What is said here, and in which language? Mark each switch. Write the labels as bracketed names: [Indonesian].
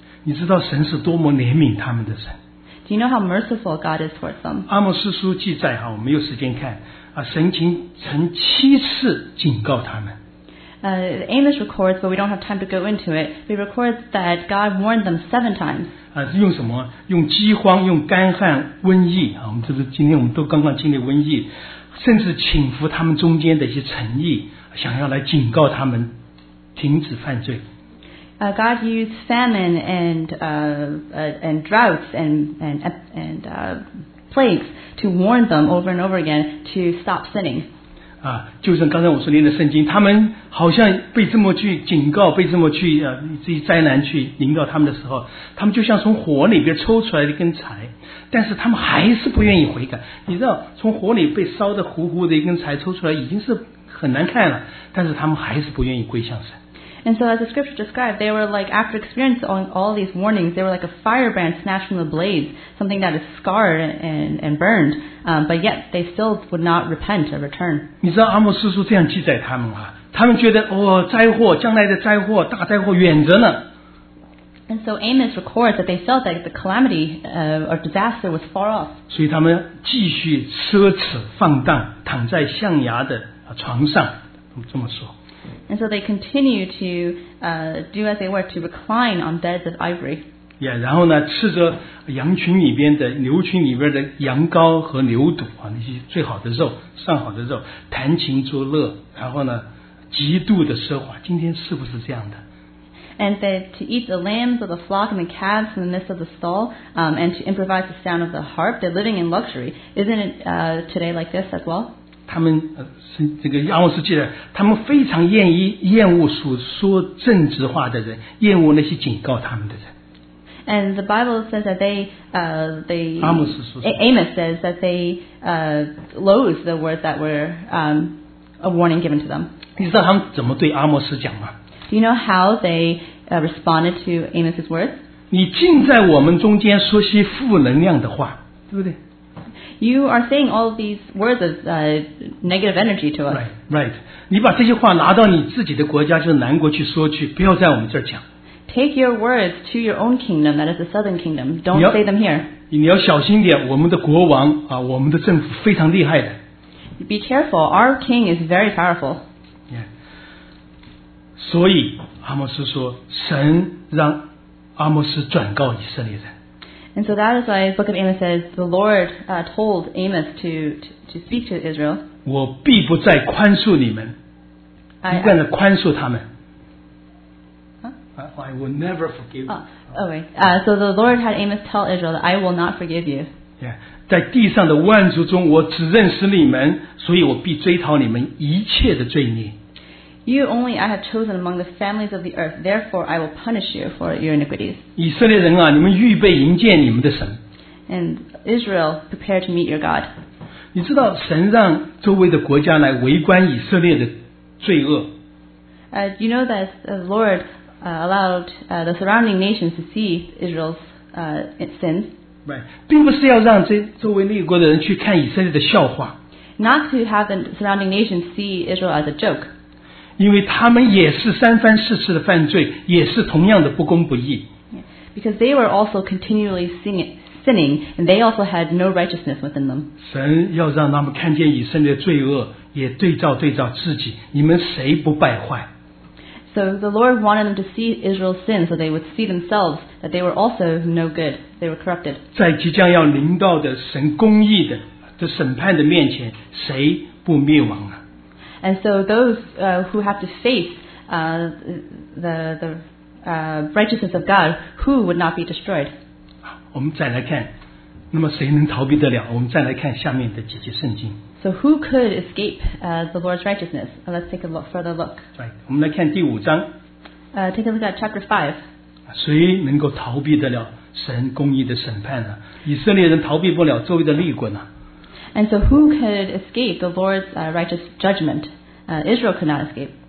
[Chinese] 你知道神是多么怜悯他们的神。 [English] Do you know how merciful God is towards them? [Chinese] 阿摩斯书记载我没有时间看神曾七次警告他们。 [English] Amos records, but we don't have time to go into it. We record that God warned them 7 times. [Chinese] 用什么？用饥荒，用干旱，瘟疫今天我们都刚刚经历瘟疫，甚至请服他们中间的一些诚意。想要来警告他们停止犯罪。 [English] God used famine and droughts and plagues to warn them over and over again to stop sinning. [Chinese] 啊，就像刚才我说念的圣经，他们好像被这么去警告，被这么去这些灾难去临到他们的时候，他们就像从火里边抽出来的一根柴，但是他们还是不愿意悔改。你知道，从火里被烧得糊糊的一根柴抽出来已经是很难看了，但是他们还是不愿意归向神。 [English] And so as the scripture described, they were like, after experiencing all these warnings, they were like a firebrand snatched from the blaze, something that is scarred and burned, but yet they still would not repent or return. [Chinese] 你知道阿摩斯书这样记载他们啊，他们觉得哦，灾祸，将来的灾祸，大灾祸远着呢。 [English] And so Amos records that they felt that the calamity or disaster was far off. [Chinese] 所以他们继续奢侈放荡，躺在象牙的床上，这么说。 [English] And so they continue to do as they were, to recline on beds of ivory. Yeah, [Chinese] 然后呢，吃着羊群里边的牛群里边的羊羔和牛肚啊，那些最好的肉，上好的肉，弹琴作乐，然后呢，极度的奢华。今天是不是这样的？ [English] And they to eat the lambs of the flock and the calves in the midst of the stall, and to improvise the sound of the harp. They're living in luxury, isn't it? Today like this as well. [Chinese] 他们这个阿摩斯记载，他们非常厌恶说正直话的人，厌恶那些警告他们的人。 [English] And the Bible says that they Amos says that they loathe the words that were a warning given to them. [Chinese] 你知道他们怎么对阿摩斯讲吗 [English] ？Do you know how they responded to Amos's words? [Chinese] 你竟在我们中间说些负能量的话，对不对？ [English] You are saying all of these words of negative energy to us. Right, right. [Chinese] 你把这些话拿到你自己的国家，就是南国去说去，不要在我们这儿讲。 [English] Take your words to your own kingdom, that is the southern kingdom. Don't say them here. [Chinese] 你要小心点，我们的国王啊，我们的政府非常厉害的。 [English] Be careful, our king is very powerful. Yeah. [Chinese] 所以阿摩斯说，神让阿摩斯转告以色列人。 [English] And so that is why the book of Amos says the Lord told Amos to speak to Israel. [Chinese] 我必不再宽恕你们，一贯的宽恕他们。 [English] I will never forgive. So the Lord had Amos tell Israel that I will not forgive you. Yeah, [Chinese] 在地上的万族中，我只认识你们，所以我必追讨你们一切的罪孽。 [English] You only I have chosen among the families of the earth, therefore I will punish you for your iniquities. [Chinese] 以色列人啊，你们预备迎接你们的神。 [English] And Israel, prepare to meet your God. [Chinese] 你知道神让周围的国家来围观以色列的罪恶。 [English] You know that the Lord allowed the surrounding nations to see Israel's sins. Right. [Chinese] 并不是要让这周围列国的人去看以色列的笑话。 [English] Not to have the surrounding nations see Israel as a joke. [Chinese] 因为他们也是三番四次的犯罪，也是同样的不公不义。 [English] Because they were also continually sinning, and they also had no righteousness within them. [Chinese] 神要让他们看见以色列的罪恶，也对照自己，你们谁不败坏 [English] ？So the Lord wanted them to see Israel's sin, so they would see themselves that they were also no good. They were corrupted. [Chinese] 在即将要临到的神公义的这审判的面前，谁不灭亡啊？ [English] And so those who have to face the righteousness of God, who would not be destroyed? [Chinese] 我们再来看，那么谁能逃避得了？我们再来看下面的几节圣经。 [English] So who could escape the Lord's righteousness? Let's take a look, further look. Right. [Chinese] 我们来看第五章。 [English] Take a look at chapter 5. [Chinese] 谁能够逃避得了神公义的审判呢？以色列人逃避不了周围的列国呢？ [English] And so who could escape the Lord's righteous judgment? Israel could not escape.